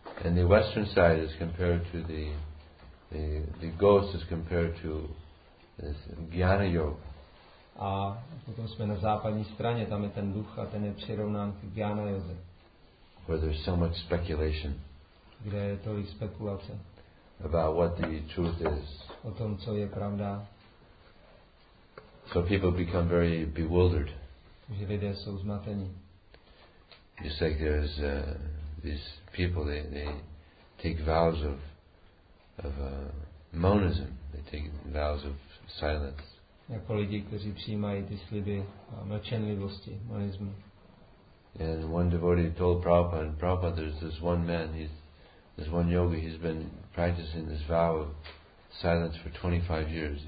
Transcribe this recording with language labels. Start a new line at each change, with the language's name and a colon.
English: And the western side is compared to the ghost is compared to this Jnana Yoga.
Czech: A potom jsme na západní straně, tam je ten duch a ten je přirovnán k Jnana Yoze.
English: Where there's so much speculation.
Czech: Kde je tolik spekulace.
English: About what the truth is.
Czech: O tom, co je pravda.
English: So people become very bewildered.
Czech: Že lidé jsou zmatení.
English: Just like there's these people, they take vows of monism. They take vows of silence.
Czech: Jako lidi, kteří přijímají ty sliby mlčenlivosti, monismu.
English: And one devotee told Prabhupada, Prabhupada, there's this one man, there's one yogi, he's been practicing this vow of silence for 25 years.